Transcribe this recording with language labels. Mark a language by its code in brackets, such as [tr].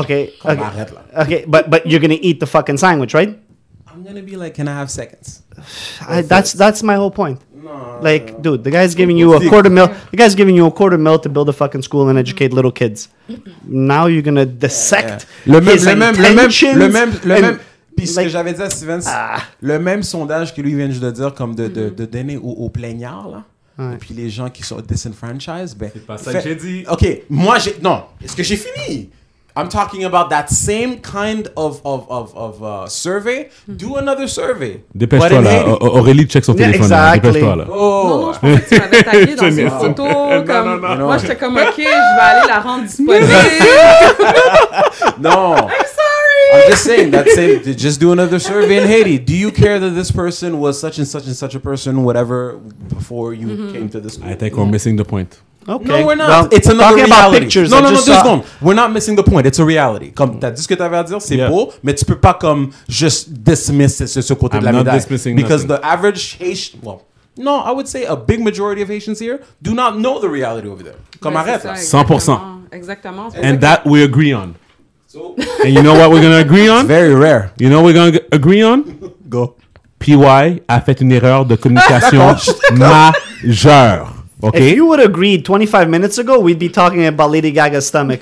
[en] Okay. Okay. But you're going to eat the fucking sandwich, right? I'm going to be like, can I have seconds? That's my whole point. No. Like, dude, the guy's giving you a quarter mil. The guy's giving you a quarter mil to build a fucking school and educate little kids. Now you're going to dissect [fr] le même. Puis ce que j'avais dit à Steven, le même sondage que lui vient juste de dire, comme de donner au plaignard, là. Ouais. Et puis les gens qui sont disenfranchised, ben... C'est pas ça que j'ai dit. OK, moi, j'ai... Non, est-ce que j'ai fini? [en] I'm talking about that same kind of survey. Do another survey. [fr] Dépêche-toi, là. Aurélie, check son téléphone. [en] Yeah, exactly. [fr] Dépêche-toi, là. Oh. Non, je pensais que tu m'avais taillé dans une photo. Comme, non. Moi, j'étais comme, OK, je vais aller la rendre disponible. Non. [en] I'm just saying, that's it. Just do another survey in Haiti. Do you care that this person was such and such and such a person, whatever, before you came to this school? I think we're missing the point. Okay. No, we're not. Well, it's another talking reality. About pictures, no, just go on. We're not missing the point. It's a reality. [fr] Comme, t'as dit ce que t'avais à dire, c'est beau, mais tu peux pas comme [en] just dismiss [fr] ce côté de la médaille. [en] I'm not dismissing because nothing. The average Haitian, well, no, I would say a big majority of Haitians here do not know the reality over there. [fr] Comme, arrête. Ça, 100%. Exactement. [en] And that we agree on. And you know what we're going to agree on? It's very rare. You know what we're going to agree on? Go. [fr] PY a fait une erreur de communication majeure. [en] Okay? If you would agree 25 minutes ago, we'd be talking about Lady Gaga's stomach.